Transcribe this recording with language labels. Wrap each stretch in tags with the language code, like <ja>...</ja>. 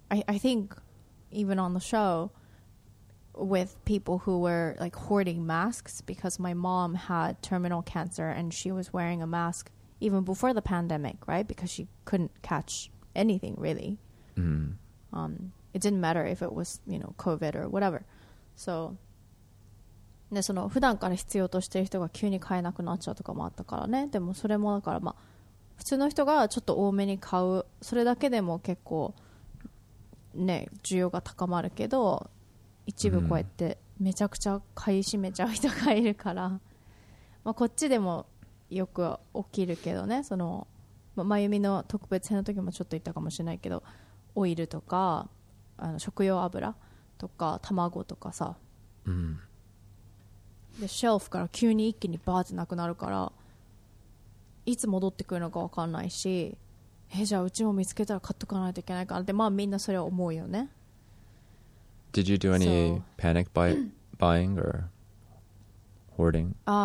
<en>I think even on the show with people who were like hoarding masks because my mom had terminal cancer and she was wearing a mask even before the pandemic, right? Because she couldn't catch anything really. Mm-hmm. It didn't matter if it was, you know, COVID or whatever.</en> <ja>So, ね、その普段から必要としてる人が急に買えなくなっちゃうとかもあったからね。でもそれもだからまあ普通の人がちょっと多めに買う、それだけでも結構ね、需要が高まるけど、一部こうやってめちゃくちゃ買い占めちゃう人がいるから、まあ、こっちでもよく起きるけどね、その、まあ、真由美の特別編の時もちょっと言ったかもしれないけど、オイルとかあの食用油とか卵とかさ、うん、でシェルフから急に一気にバーってなくなるから、いつ戻ってくるのか分かんないし、え、じゃあうちも見つけたら買っとかないといけないかなって、まあみんなそれは思うよね。</ja> <en>Did you do any panic buying or hoarding?</en>